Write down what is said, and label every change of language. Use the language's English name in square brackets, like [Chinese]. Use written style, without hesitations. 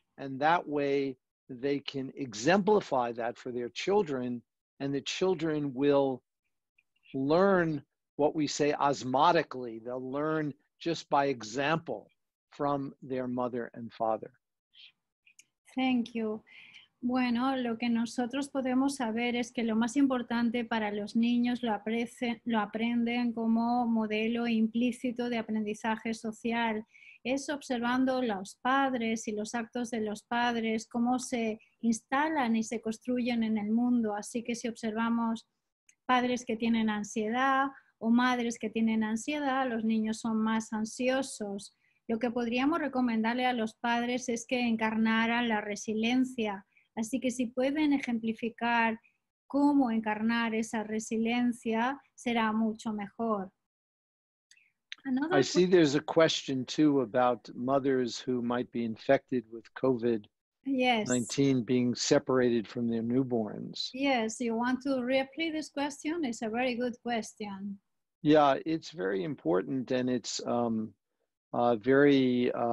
[English] And that way they can exemplify that for their children, and the children will learn what we say osmotically. They'll learn just by example from their mother and father. Thank you. [Spanish] Bueno, lo que nosotros podemos saber es que lo más importante para los niños lo aprenden como modelo implícito de aprendizaje social. Es observando los padres y los actos de los padres, cómo se instalan y se construyen en el mundo. Así que si observamos padres que tienen ansiedad o madres que tienen ansiedad, los niños son más ansiosos. Lo que podríamos recomendarle a los padres es que encarnaran la resiliencia. Así que si pueden ejemplificar cómo encarnar esa resiliencia, será mucho mejor. [English] I see there's a question too about mothers who might be infected with COVID-19 yes. being separated from their newborns. Yes, you want to reply this question? It's a very good question. Yeah, it's very important and it's very...